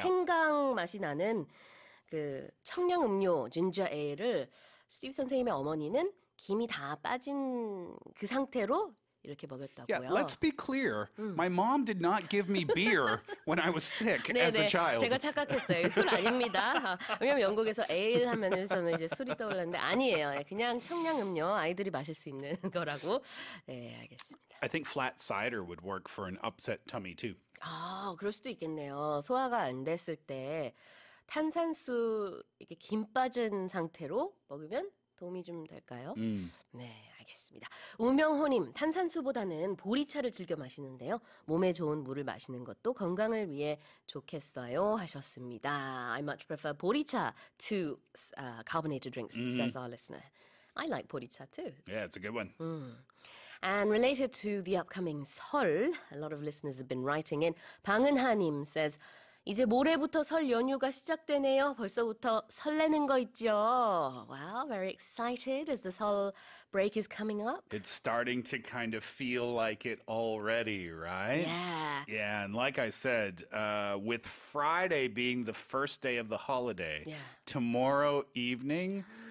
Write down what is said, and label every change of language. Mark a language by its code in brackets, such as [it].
[ko] 생강 맛이 나는 그 청량 음료 ginger ale을 스티브 선생님의 어머니는 김이 다 빠진 그 상태로 이렇게 먹였다고요. [en] Yeah, let's be clear. My mom did not give me beer when I was sick [ko] 네, [en] as a child. [ko] 제가 착각했어요. 술 아닙니다. 왜냐면 영국에서 에일 하면은 저는 이제 술이 떠올랐는데 아니에요. 그냥 청량 음료 아이들이 마실 수 있는 거라고. 네, 알겠습니다. [en] I think flat cider would work for an upset tummy too. [ko] 아, 그럴 수도 있겠네요. 소화가 안 됐을 때 탄산수 이렇게 김 빠진 상태로 먹으면 도움이 좀 될까요? 네, 알겠습니다. 우명호님, 탄산수보다는 보리차를 즐겨 마시는데요. 몸에 좋은 물을 마시는 것도 건강을 위해 좋겠어요 하셨습니다. [en] I much prefer 보리차 to carbonated drinks, says our listener. I like 보리차 too. Yeah, it's a good one. And related to the upcoming 설, a lot of listeners have been writing in. [ko] 방은하님 says, 이제 모레부터 설 연휴가 시작되네요. 벌써부터 설레는 거 있죠. [en] Wow, very excited as the 설 break is coming up. It's starting to kind of feel like it already, right? Yeah. Yeah, and like I said, with Friday being the first day of the holiday, tomorrow evening,